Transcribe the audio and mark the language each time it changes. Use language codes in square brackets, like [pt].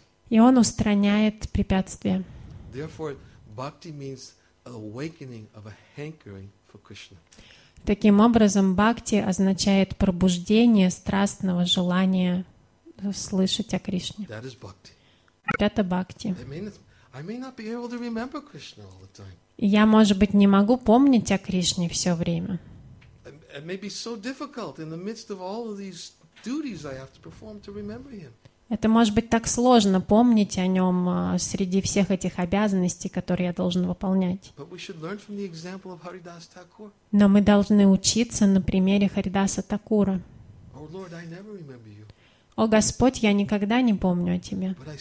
[ru] И Он устраняет препятствия. [en] Therefore, bhakti means awakening of a hankering for Krishna. [ru] Таким образом, бхакти означает пробуждение страстного желания слышать о Кришне. [en] That is bhakti. [ru] Это бхакти. [en] I may not be able to remember Krishna all the time. [ru] Я, может быть, не могу помнить о Кришне все время. [en] It may be so difficult in the midst of all of these duties I have to perform to remember him. [ru] Это может быть так сложно помнить о нем среди всех этих обязанностей, которые я должен выполнять. Но мы должны учиться на примере Харидаса Такура. О Господь, я никогда не помню о Тебе.